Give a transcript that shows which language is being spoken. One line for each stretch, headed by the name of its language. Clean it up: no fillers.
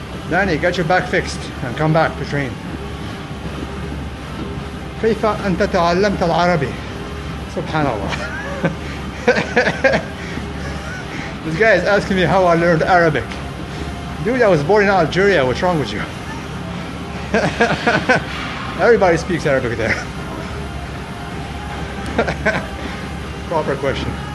English: Danny, get your back fixed and come back to train.
Arabic: كيف أنت تعلمت العربي؟ سبحان الله.
English: This guy is asking me how I learned Arabic. Dude, I was born in Algeria. What's wrong with you? Everybody speaks Arabic there. Proper question.